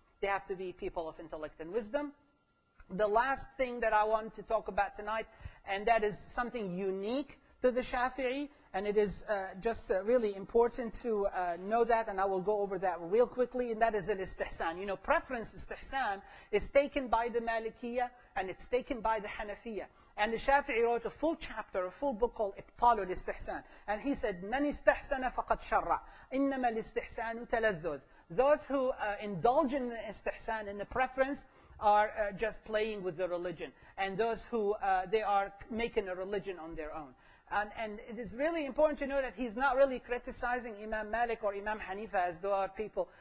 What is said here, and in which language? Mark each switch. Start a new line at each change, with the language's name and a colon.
English: They have to be people of intellect and wisdom. The last thing that I want to talk about tonight, and that is something unique to the Shafi'i, and it is really important to know that, and I will go over that real quickly, and that is an istihsan. You know, preference istihsan is taken by the Malikiyya, and it's taken by the Hanafiyya. And the Shafi'i wrote a full chapter, a full book called Ibtalul Istihsan.
Arabic: And he said, مَنْ إِسْتَحْسَنَ فَقَدْ شَرَّعْ إِنَّمَا الْإِسْتِحْسَانُ تَلَذُّذْ.
English: Those who indulge in the istihsan, in the preference, are just playing with the religion. And those who, they are making a religion on their own. And it is really important to know that he's not really criticizing Imam Malik or Imam Hanifa as though are people.